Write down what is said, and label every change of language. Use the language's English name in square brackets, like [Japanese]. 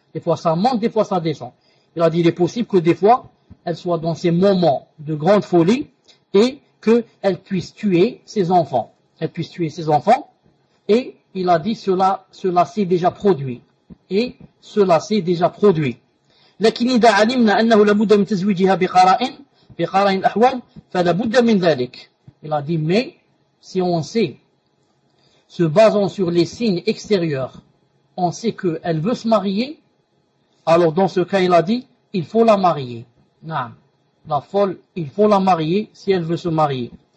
[French] Des fois, ça monte, des fois, ça descend. Il a dit, il est possible que des fois, elle soit dans ces moments de grande folie et qu'elle puisse tuer ses enfants. Elle puisse tuer ses enfants. Et il a dit, cela s'est déjà produit. Et cela s'est déjà produit. [Arabic] لكن إذا علمنا أنه لابد من تزويجها بقرائن الأحوال فلابد من ذلك. [French] Il a dit, mais si on sait, se basant sur les signes extérieurs, on sait qu'elle veut se marier, alors dans ce cas, il a dit, il faut la marier. نعم. La folle, il faut la marier si elle veut se marier.